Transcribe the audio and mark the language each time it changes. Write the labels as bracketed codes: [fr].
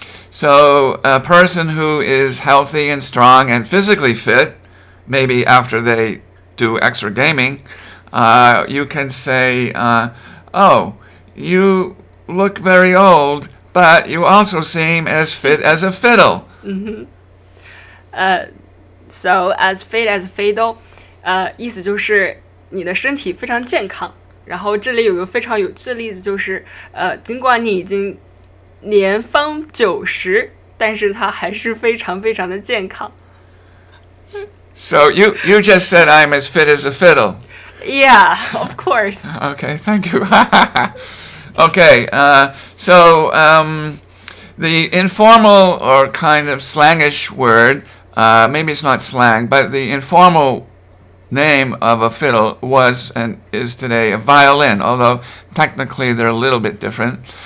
[en] So a person who is healthy and strong and physically fit, maybe after they do extra gaming, you can say, oh, you look very old, but you also seem as fit as a fiddle. Mm-hmm. So as fit as a fiddle, [zh] 意思就是你的身体非常健康。然后这里有一个非常有趣的例子，就是尽管你已经年方九十，但是它还是非常非常的健康。 [en] So you just said I'm as fit as a fiddle. Yeah, of course. Okay, thank you. Okay, the informal or kind of slangish word, maybe it's not slang, but the informal name of a fiddle was and is today a violin, although technically they're a little bit different.